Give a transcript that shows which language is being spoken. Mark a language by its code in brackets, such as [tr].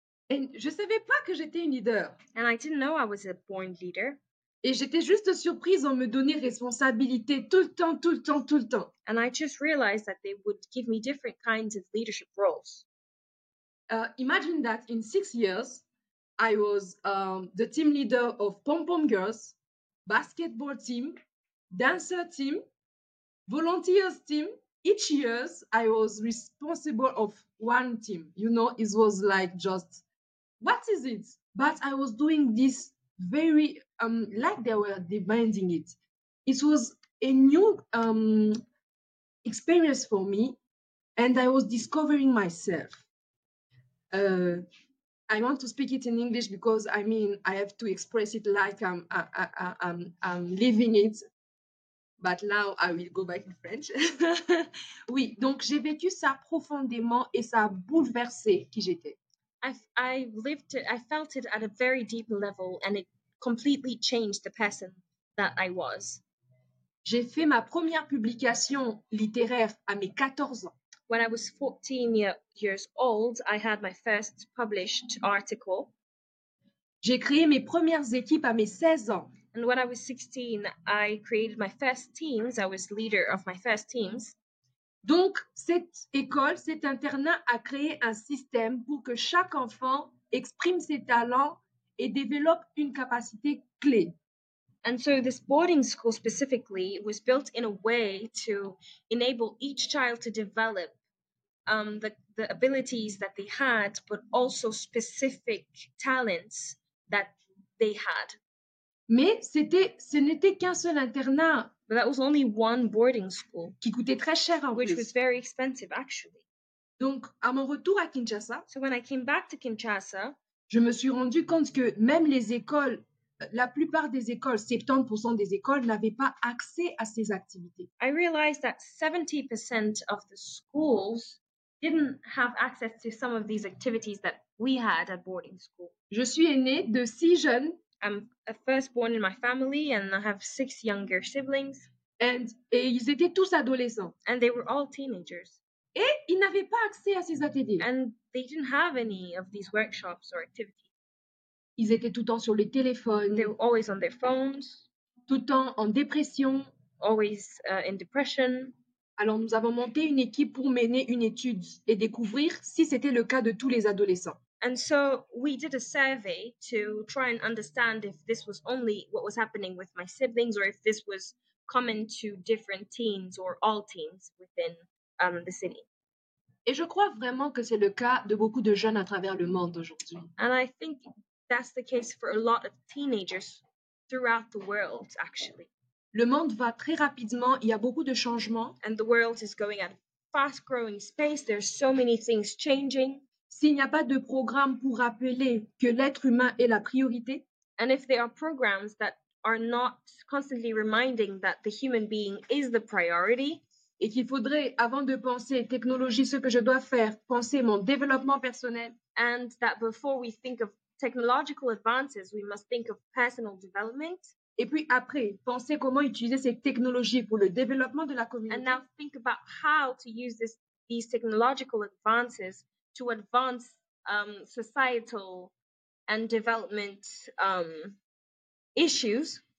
[fr] Et je savais pas que j'étais une leader. [en] And I didn't know I was a born leader. [fr] Et j'étais juste surprise en me donner responsabilité tout le temps, tout le temps, tout le temps. [en] And I just realized that they would give me different kinds of leadership roles. Imagine that in 6 years, I was the team leader of pom-pom girls, basketball team, dancer team, volunteers team. Each year, I was responsible of one team. You know, it was like just, what is it? But I was doing this very, like they were demanding it. It was a new experience for me, and I was discovering myself. I want to speak it in English because, I mean, I have to express it like I'm living it. But now I will go back in French. [fr] Oui, donc j'ai vécu ça profondément et ça a bouleversé qui j'étais. [en] I felt it at a very deep level and it completely changed the person that I was. [fr] J'ai fait ma première publication littéraire à mes 14 ans. [en] When I was 14 years old, I had my first published article. [fr] J'ai créé mes premières équipes à mes 16 ans. [en] And when I was 16, I created my first teams. I was leader of my first teams. [fr] Donc, cette école, cet internat a créé un système pour que chaque enfant exprime ses talents et développe une capacité clé. [en] And so this boarding school specifically was built in a way to enable each child to develop the abilities that they had, but also specific talents that they had. [fr] Mais ce n'était qu'un seul internat. [en] But that was only one boarding school. [fr] Qui coûtait très cher en plus. [en] Which was very expensive, actually. [fr] Donc, à mon retour à Kinshasa, [en] so when I came back to Kinshasa, [fr] je me suis rendu compte que même les écoles, la plupart des écoles, 70% des écoles, n'avaient pas accès à ces activités. [en] I realized that 70% of the schools didn't have access to some of these activities that we had at boarding school. [fr] Je suis aînée de 6 jeunes. [en] I'm a first born in my family and I have 6 younger siblings. [fr] Et ils étaient tous adolescents. [en] And they were all teenagers. [fr] Et ils n'avaient pas accès à ces ateliers. [en] And they didn't have any of these workshops or activities. [fr] Ils étaient tout le temps sur les téléphones. [en] They were always on their phones. [fr] Tout le temps en dépression. [en] Always in depression. [fr] Alors nous avons monté une équipe pour mener une étude et découvrir si c'était le cas de tous les adolescents. [en] And so we did a survey to try and understand if this was only what was happening with my siblings or if this was common to different teens or all teens within the city. [fr] Et je crois vraiment que c'est le cas de beaucoup de jeunes à travers le monde aujourd'hui. [en] And I think that's the case for a lot of teenagers throughout the world, actually. [fr] Le monde va très rapidement, il y a beaucoup de changements. [en] And the world is going at a fast-growing pace, there's so many things changing. [fr] S'il n'y a pas de programme pour rappeler que l'être humain est la priorité, [en] and if there are programs that are not constantly reminding that the human being is the priority, [fr] et qu'il faudrait, avant de penser technologie, ce que je dois faire, penser mon développement personnel, [en] and that before we think of technological advances, we must think of personal development, [fr] Et puis après, penser comment utiliser ces technologies pour le développement de la communauté. [en] And now think about how to use this, these technological advances to advance societal and development issues.